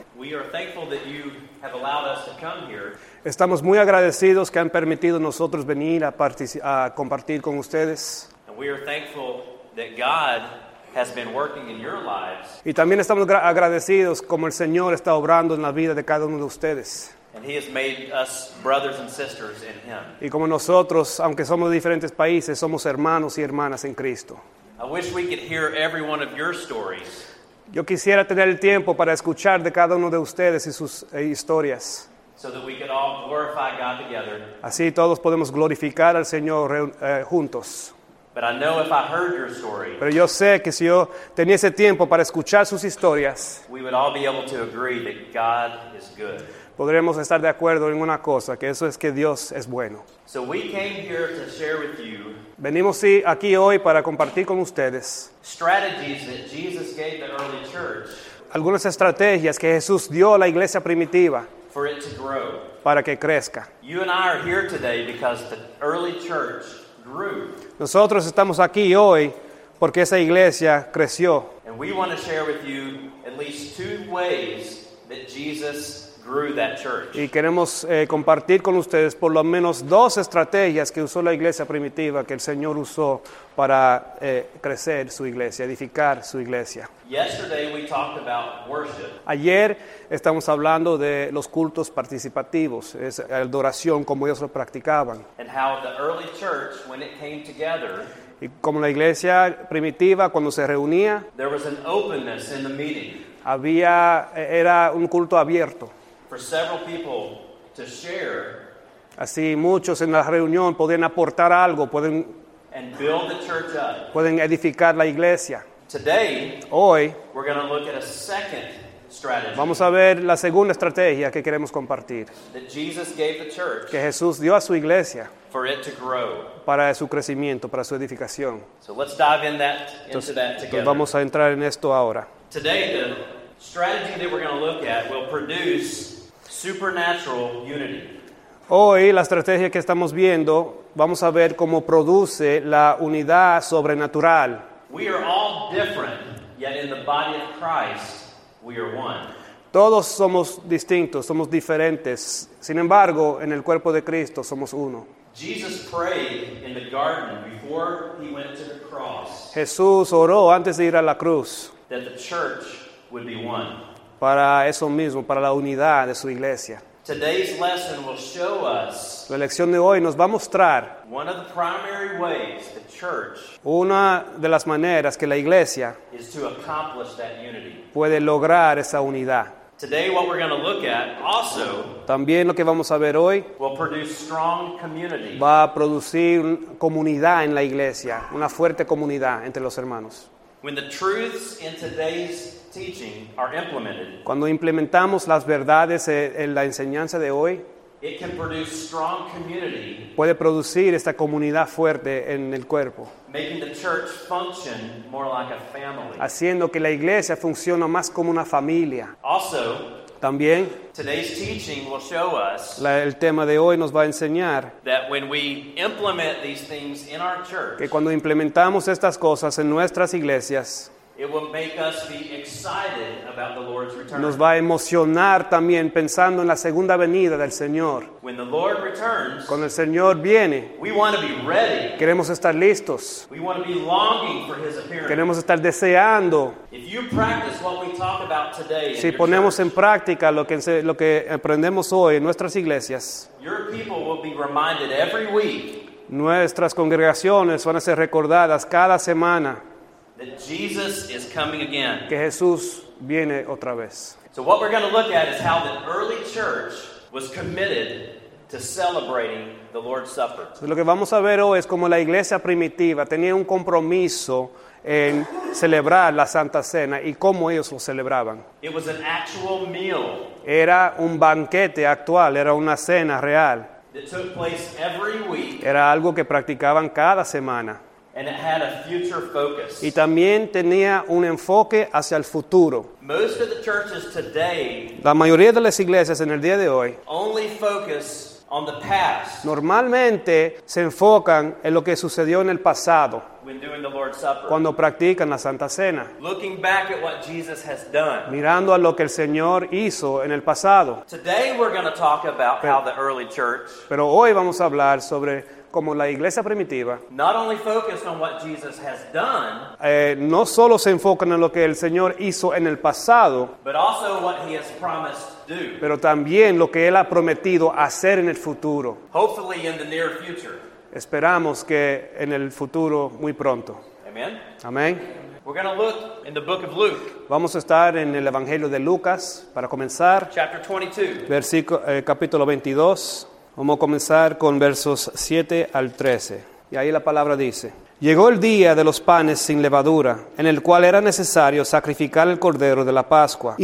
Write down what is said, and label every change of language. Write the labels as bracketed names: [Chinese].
[English] We are thankful that you have allowed us to come here. [Spanish] Estamos muy agradecidos que han permitido nosotros venir a compartir con ustedes. [English] And we are thankful that God has been working in your lives. [Spanish] Y también estamos agradecidos como el Señor está obrando en la vida de cada uno de ustedes. [English] And he has made us brothers and sisters in him. [Spanish] Y como nosotros, aunque somos de diferentes países, somos hermanos y hermanas en Cristo. [English] I wish we could hear every one of your stories. [Spanish] Yo quisiera tener el tiempo para escuchar de cada uno de ustedes y sus historias. [English] So that we could all glorify God together. [Spanish] Así todos podemos glorificar al Señor juntos. [English] But I know if I heard your story, [Spanish] pero yo sé que si yo tenía ese tiempo para escuchar sus historias, [English] we would all be able to agree that God is good. [Spanish] Podríamos estar de acuerdo en una cosa, que eso es que Dios es bueno. [English] So we came here to share with you, [Spanish] venimos aquí hoy para compartir con ustedes [English] strategies that Jesus gave the early church, [Spanish] algunas estrategias que Jesús dio a la iglesia primitiva [English] for it to grow. [Spanish] Para que crezca. [English] You and I are here today because the early church grew. [Spanish] Nosotros estamos aquí hoy porque esa iglesia creció. [English] And we want to share with you at least two ways that Jesus grew that church. [Spanish] Y queremos compartir con ustedes por lo menos dos estrategias que usó la iglesia primitiva, que el Señor usó para crecer su iglesia, edificar su iglesia. [English] Yesterday we talked about worship. [Spanish] Ayer estamos hablando de los cultos participativos, es adoración como ellos lo practicaban. [English] And how the early church, when it came together, [Spanish] y como la iglesia primitiva cuando se reunía, [English] there was an openness in the meeting. [Spanish] Era un culto abierto. [English] For several people to share. [Spanish] Así muchos en la reunión pueden aportar algo, pueden, [English] and build the church up. [Spanish] Pueden edificar la iglesia. [English] Today, [Spanish] hoy, [English] we're going to look at a second strategy. [Spanish] Vamos a ver la segunda estrategia que queremos compartir. [English] That Jesus gave the church. [Spanish] Que Jesús dio a su iglesia. [English] For it to grow. [Spanish] Para su crecimiento, para su edificación. [English] So let's dive into that together. [Spanish] Vamos a entrar en esto ahora. [English] Today, the strategy that we're going to look at will produce supernatural unity. [Spanish] Hoy, la estrategia que estamos viendo, vamos a ver cómo produce la unidad sobrenatural. [English] We are all different, yet in the body of Christ, we are one. [Spanish] Todos somos distintos, somos diferentes. Sin embargo, en el cuerpo de Cristo somos uno. [English] Jesus prayed in the garden before he went to the cross. [Spanish] Jesús oró antes de ir a la cruz. [English] That the church would be one. [Spanish] Para eso mismo, para la unidad de su iglesia. [English] Today's lesson will show us. [Spanish] La lección de hoy nos va a mostrar. [English] One of the primary ways the church. [Spanish] Una de las maneras que la iglesia. [English] Is to accomplish that unity. [Spanish] Puede lograr esa unidad. [English] Today what we're going to look at also. [Spanish] También lo que vamos a ver hoy. [English] Will produce strong community. [Spanish] Va a producir comunidad en la iglesia. Una fuerte comunidad entre los hermanos. [English] When the truths in today's teaching are implemented. [Spanish] Cuando implementamos las verdades en la enseñanza de hoy. [English] It can produce strong community. [Spanish] Puede producir esta comunidad fuerte en el cuerpo. [English] Making the church function more like a family. [Spanish] Haciendo que la iglesia funcione más como una familia. [English] Also. [Spanish] También. [English] Today's teaching will show us. [Spanish] El tema de hoy nos va a enseñar. [English] That when we implement these things in our church. [Spanish] Que cuando implementamos estas cosas en nuestras iglesias. [English] It will make us be excited about the Lord's return. [Spanish] Nos va a emocionar también pensando en la segunda venida del Señor. [English] When the Lord returns, [Spanish] cuando el Señor viene, [English] we want to be ready. [Spanish] Queremos estar listos. [English] We want to be longing for his appearance. [Spanish] Queremos estar deseando. [English] If you practice what we talk about today, [Spanish] si ponemos en práctica lo que aprendemos hoy en nuestras iglesias, [English] your people will be reminded every week. [Spanish] Nuestras congregaciones van a ser recordadas cada semana. [English] That Jesus is coming again. [Spanish] Que Jesús viene otra vez. [English] So what we're going to look at is how the early church was committed to celebrating the Lord's Supper. [Spanish] Lo que vamos a ver hoy es cómo la iglesia primitiva tenía un compromiso en celebrar la Santa Cena y cómo ellos lo celebraban. [English] It was an actual meal. [Spanish] Era un banquete actual, era una cena real. [English] That took place every week. [Spanish] Era algo que practicaban cada semana. [English] And it had a future focus. [Spanish] Y también tenía un enfoque hacia el futuro. [English] Most of the churches today. [Spanish] La mayoría de las iglesias en el día de hoy. [English] Only focus on the past. [Spanish] Normalmente se enfocan en lo que sucedió en el pasado. [English] When doing the Lord's Supper. [Spanish] Cuando practican la Santa Cena. [English] Looking back at what Jesus has done. [Spanish] Mirando a lo que el Señor hizo en el pasado. [English] Today we're going to talk about how the early church. [Spanish] Pero hoy vamos a hablar sobre como la iglesia primitiva. [English] Not only focused on what Jesus has done, [Spanish] no solo se enfocan en lo que el Señor hizo en el pasado, [English] but also what he has promised to do. [Spanish] Pero también lo que Él ha prometido hacer en el futuro. [English] Hopefully in the near future. [Spanish] Esperamos que en el futuro muy pronto. [English] Amen. [Spanish] Amén. [English] We're going to look in the book of Luke. [Spanish] Vamos a estar en el Evangelio de Lucas para comenzar. [English] Chapter 22. [Spanish] Capítulo 22. Vamos a comenzar con versos 7 al 13. Y ahí la palabra dice: llegó el día de los panes sin levadura, en el cual era necesario sacrificar el cordero de la Pascua.